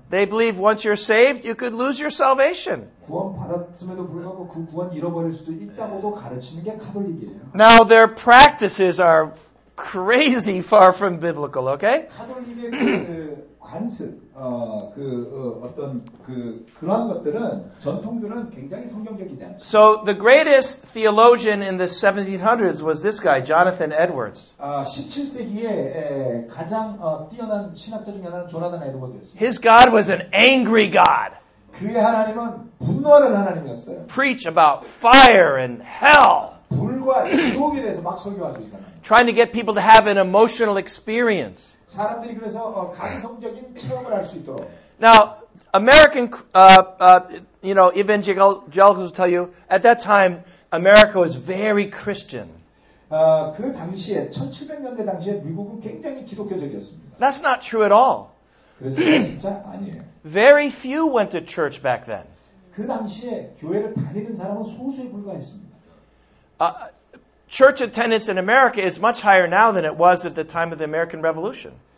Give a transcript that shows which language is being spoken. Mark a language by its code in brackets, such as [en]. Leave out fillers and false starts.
[en] They believe once you're saved, you could lose your salvation. [ko] 구원받았음에도 불구하고 그 구원 잃어버릴 수도 있다고도 가르치는 게 카톨릭이에요. [en] Now their practices are crazy far from biblical, okay? [ko] 카톨릭의 그 관습, 어떤 그 그런 것들은 전통들은 굉장히 성경적이지 않죠. [en] So the greatest theologian in the 1700s was this guy, Jonathan Edwards. [ko] 17세기에 가장 뛰어난 신학자 중에 하나는 조나단 에드워드였어요. [en] His God was an angry God. [ko] 그의 하나님은 분노하는 하나님이었어요. [en] Preach about fire and hell. [ko] 불과 지옥에 대해서 막 설교하고 있잖아요. [en] Trying to get people to have an emotional experience. [ko] 사람들이 그래서 감성적인 체험을 할 수 있도록. [en] Now, American, you know, evangelicals will tell you at that time America was very Christian. [ko] 그 당시에 1700년대 당시에 미국은 굉장히 기독교적이었습니다. [en] That's not true at all. [ko] 그래서 진짜 아니에요. [en] Very few went to church back then. [ko] 그 당시에 교회를 다니는 사람은 소수에 불과했습니다. [en] Church attendance in America is much higher now than it was at the time of the American Revolution.